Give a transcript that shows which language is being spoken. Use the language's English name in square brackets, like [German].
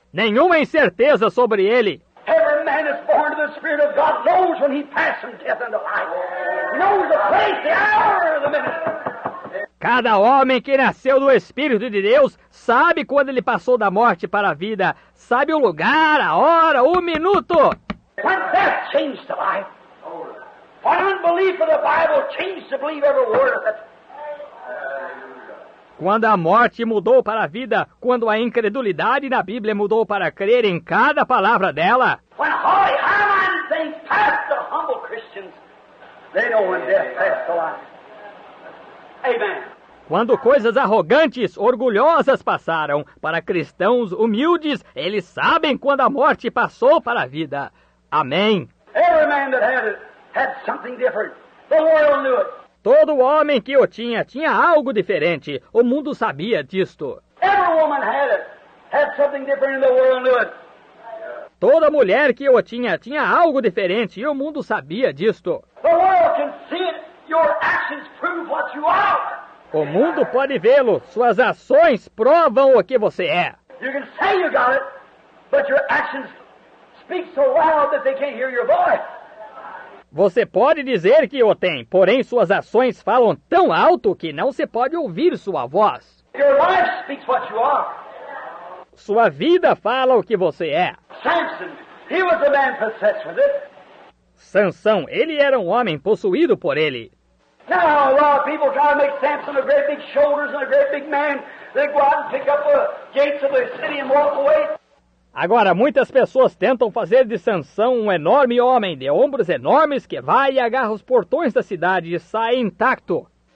[Portuguese] Nenhuma incerteza sobre ele. [English] Every man is born to the Spirit of God knows when he passes from death into life. Knows the place, the hour, the minute. [Portuguese] Cada homem que nasceu do Espírito de Deus sabe quando ele passou da morte para a vida. Sabe o lugar, a hora, o minuto. [English] When death changed to life. When unbelief of the Bible changed to believe every word of it. [Portuguese] Quando a morte mudou para a vida, quando a incredulidade na Bíblia mudou para crer em cada palavra dela. [English] When holy Haman thinks past the humble Christians, they know when death passed the line. Amen. [Portuguese] Quando coisas arrogantes, orgulhosas passaram para cristãos humildes, eles sabem quando a morte passou para a vida. Amém. [English] Every man that had it had something different. The world knew it. [Portuguese] Todo homem que o tinha, tinha algo diferente. O mundo sabia disto. [English] Every woman had it. Had something different in the world knew it. [Portuguese] Toda mulher que o tinha, tinha algo diferente. E o mundo sabia disto. [English] The world can see it. Your actions prove what you are. [Portuguese] O mundo pode vê-lo. Suas ações provam o que você é. [English] You can say you got it, but your actions speak so loud that they can't hear your voice. [Portuguese] Você pode dizer que o tem, porém suas ações falam tão alto que não se pode ouvir sua voz. [English] Your life speaks what you are. [Portuguese] Sua vida fala o que você é. [English] Samson, he was a man possessed with it. [Portuguese] Sansão, ele era um homem possuído por ele. [English] Now a lot of people try to make Samson a great big shoulders and a great big man. They go out and pick up the gates of the city and walk away. [Portuguese] Agora, muitas pessoas tentam fazer de Sansão um enorme homem de ombros enormes que vai e agarra os portões da cidade e sai intacto.